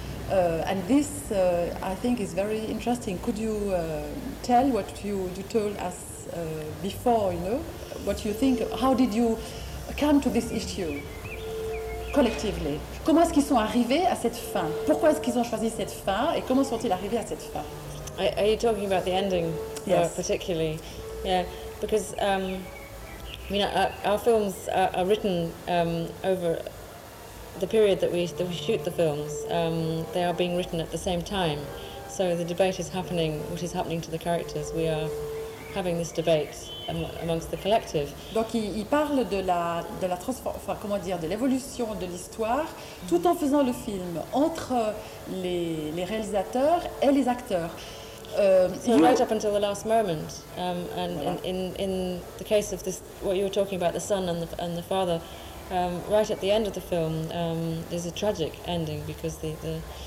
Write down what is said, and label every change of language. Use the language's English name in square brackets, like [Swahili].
[English] And this, I think, is very interesting. Could you tell what you told us before, you know? What do you think? How did you come to this issue? collectively. [French] Comment est-ce qu'ils sont arrivés à cette fin? Pourquoi est-ce qu'ils ont choisi cette fin et comment sont-ils arrivés à cette fin? [English] Are you talking about the ending? Yes. Particularly? Yeah, because I mean, our films are written over the period that we shoot the films. They are being written at the same time. So the debate is happening, what is happening to the characters. We are having this debate amongst the collective. [French] Donc il parle de la enfin, comment dire, de l'évolution de l'histoire tout en faisant le film entre les réalisateurs et les acteurs. [English] So right up until the last moment, and voilà. in the case of this, what you were talking about, the son and the father, right at the end of the film, there's a tragic ending because the